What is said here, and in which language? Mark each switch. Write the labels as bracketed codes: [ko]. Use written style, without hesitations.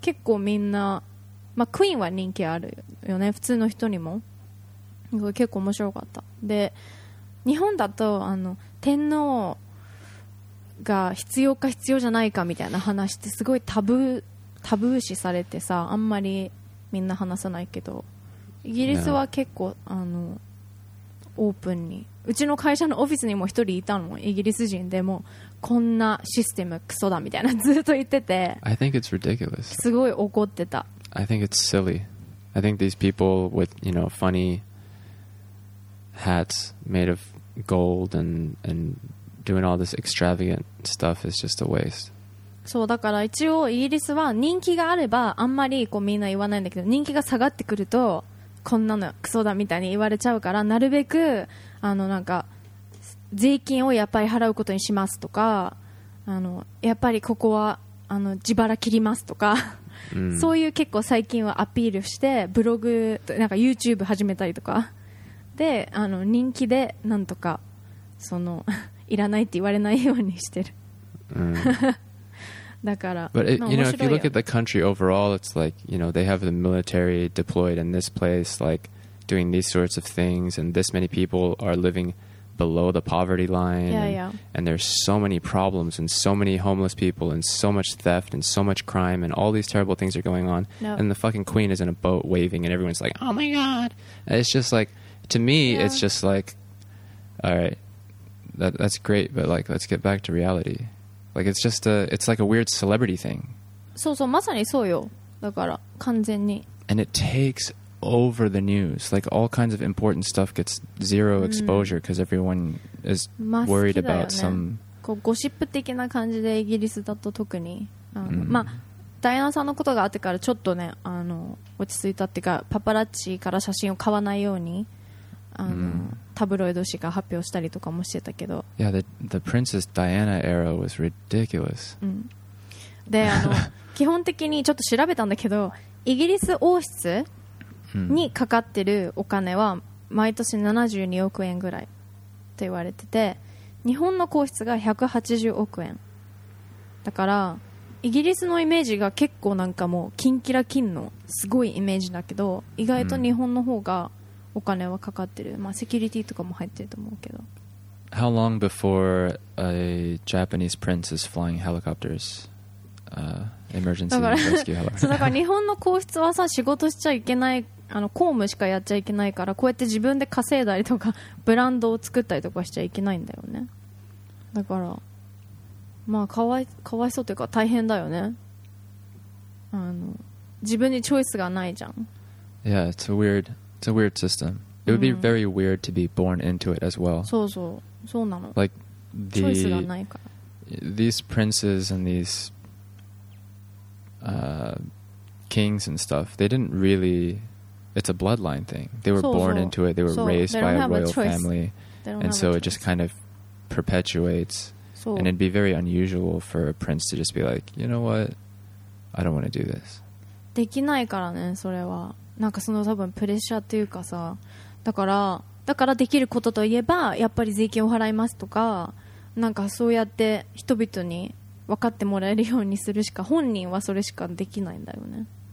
[ja] 結構みんな、まあ、クイーンは人気あるよね普通の人にも結構面白かったで日本だとあの天皇が必要か必要じゃないかみたいな話ってすごいタブー視されてさあんまりみんな話さないけどイギリスは結構、yeah. あのオープンにうちの会社のオフィスにも一人いたのイギリス人でもこんなシステムクソだみたいなずっと言ってて [en] I think it's ridiculous [ja] すごい怒ってた [en] I think it's silly I think these people with you know funny hats made of gold and doing all this extravagant stuff is just a waste [ja] そうだから一応イギリスは人気があればあんまりこうみんな言わないんだけど人気が下がってくるとこんなのクソだみたいに言われちゃうからなるべくあのなんか税金をやっぱり払うことにしますとかあのやっぱりここはあの自腹切りますとか、うん、そういう結構最近はアピールしてブログなんか YouTube 始めたりとかであの人気でなんとかそのいらないって言われないようにしてる、うん、だから [en] But it, you know, if you look at the country overall, it's like, you know, they have the military deployed in this place, like doing these sorts of things, and this many people are living below the poverty line. Yeah, And there's so many problems, and so many homeless people, and so much theft, and so much crime, and all these terrible things are going on. Nope. And the fucking queen is in a boat waving, and everyone's like, oh my god. And it's just like, to me, it's just like, all right, that's great, but like, let's get back to reality. Like it's just a, it's like a weird celebrity thing. [ja] そうそう、まさにそうよ。だから完全に。 [en] And it takes over the news. Like all kinds of important stuff gets zero exposure because everyone is worried about some. [ja] こうゴシップ的な感じでイギリスだと特に、まあダイアナさんのことがあってからちょっとね、あの落ち着いたっていうかパパラッチから写真を買わないように。タブロイド紙が発表したりとかもしてたけど [en] Yeah, the Princess Diana era was ridiculous、 [ja] うん、であの基本的にちょっと調べたんだけどイギリス王室にかかってるお金は毎年72億円ぐらいって言われてて日本の皇室が180億円だからイギリスのイメージが結構なんかもうキンキラキンのすごいイメージだけど意外と日本の方が、うんお金はかかってる、まあ、セキュリティとかも入ってると思うけど。 [en] How long before a Japanese prince is flying helicopters? Emergency rescue [ja] そうだから日本の皇室はさ仕事しちゃいけない、あの公務しかやっちゃいけないから、こうやって自分で稼いだりとかブランドを作ったりとかしちゃいけないんだよね。だからまあかわいそうというか大変だよね。あの自分にチョイスがないじゃん。 [en] Yeah, it's a weird system. It would be very weird to be born into it as well. [ja] そうそうそうなの。 [en] Like [ja] チョイスがないから、 [en] these princes and theseKings and stuff, they didn't really. It's a bloodline thing. They were born into it. They were raised by a royal family. And so it just kind of perpetuates. And it'd be very unusual for a prince to just be like, you know what? I don't want to do this. [ja] できないからね、それは。なんかその多分プレッシャーっていうかさ。だからできることといえば、やっぱり税金を払いますとか、なんかそうやって人々に分かってもらえるようにするしか、本人はそれしかできないんだよね。